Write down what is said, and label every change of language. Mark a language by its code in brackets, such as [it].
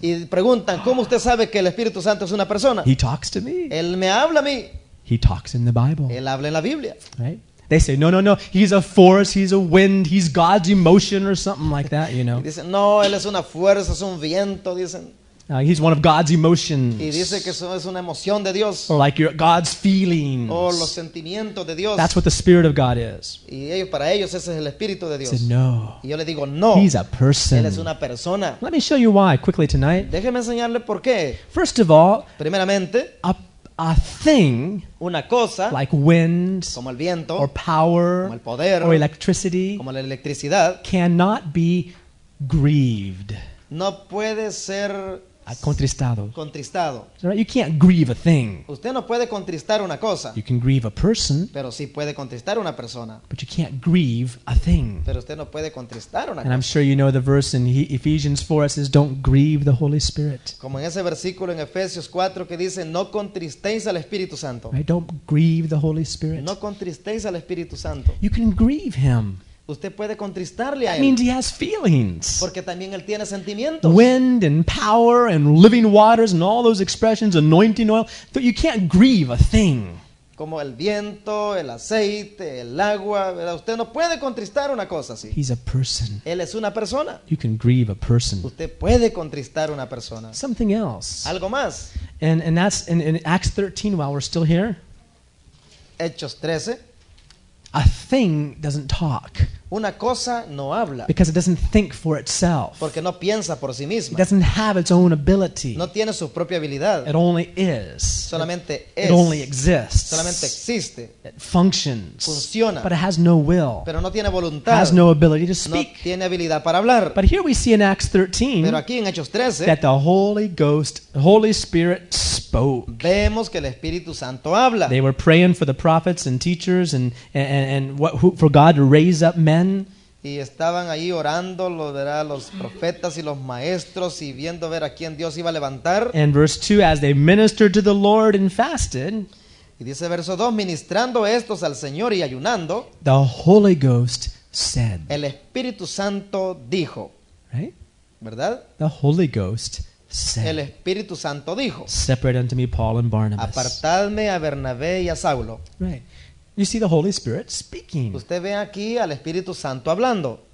[es] Y preguntan, ¿cómo usted sabe que el Espíritu Santo es una persona? [en] He talks to me. [es] Él me habla a mí. [en] He talks in the Bible. [es] Él habla en la Biblia. [en] Right? They say, no, no, no, he's a force, he's a wind, he's God's emotion or something like that, you know. [es] Dicen, no, él es una fuerza, es un viento, dicen. [en] He's one of God's emotions. [es] Y dice que eso es una emoción de Dios. [en] Or like your God's feelings. [es] O los sentimientos de Dios. [en] That's what the Spirit of God is. [es] Y ellos, para ellos, ese es el Espíritu de Dios. [en] Said, no. [es] Y yo le digo, no. [en] He's a person. [es] Él es una persona. [en] Let me show you why quickly tonight. [es] Déjeme enseñarle por qué. [en] First of all, [es] primeramente, [en] a thing, [es] una cosa, [en] like wind, [es] como el viento, [en] or power, [es] como el poder, [en] or electricity, [es] como la electricidad, [en] cannot be grieved. [es] No puede ser contristado. [en] Right? You can't grieve a thing. [es] Usted no puede contristar una cosa. [en] You can grieve a person. [es] Pero sí puede contristar una persona. [en] But you can't grieve a thing. [es] Pero usted no puede contristar una [en] and [es] cosa. [en] I'm sure you know the verse in Ephesians 4 that says, don't grieve the Holy Spirit. [es] Como en ese versículo en Efesios 4 que dice, no contristéis al Espíritu Santo. [en] Right? Don't grieve the Holy Spirit. [es] No contristéis al Espíritu Santo. [en] You can grieve him. [es] Usted puede contristarle a él. [en] That means he has feelings. [es] Porque también él tiene sentimientos. [en] Wind and power and living waters and all those expressions, anointing oil. You can't grieve a thing. [es] Como el viento, el aceite, el agua, ¿verdad? Usted no puede contristar una cosa así. [en] He's a person. [es] Él es una persona. [en] You can grieve a person. [es] Usted puede contristar una persona. [en] Something else. [es] Algo más. [en] And that's in Acts 13, while we're still here. [es] Hechos 13. [en] A thing doesn't talk. [es] Una cosa no habla. [en] Because it doesn't think for itself. [es] Porque no piensa por sí misma. [en] It doesn't have its own ability. [es] No tiene su propia habilidad. [en] It only is. [es] Solamente es. [en] It only exists. [es] Solamente existe. [en] It functions. [es] Funciona. [en] But it has no will. [es] Pero no tiene voluntad. [en] Has no ability to speak. [es] No tiene habilidad para hablar. [en] But here we see in Acts 13, [es] pero aquí en Hechos 13, [en] that the Holy Ghost, Holy Spirit spoke. [es] Vemos que el Espíritu Santo habla. [en] They were praying for the prophets and teachers and what, who, for God to raise up men. [es] Y estaban ahí orando los profetas y los maestros y viendo ver a quién Dios iba a levantar. [en] And verse 2, as they ministered to the Lord and fasted, [es] y dice verso 2, ministrando estos al Señor y ayunando, [en] the Holy Ghost said, [es] el Espíritu Santo dijo, [en] right? [es] ¿Verdad? [en] The Holy Ghost said, [es] el Espíritu Santo dijo, [en] separate unto me Paul and Barnabas, [es] apartadme a Bernabé y a Saulo. [en] Right. You see the Holy Spirit speaking. [es] Usted ve aquí al Espíritu Santo hablando.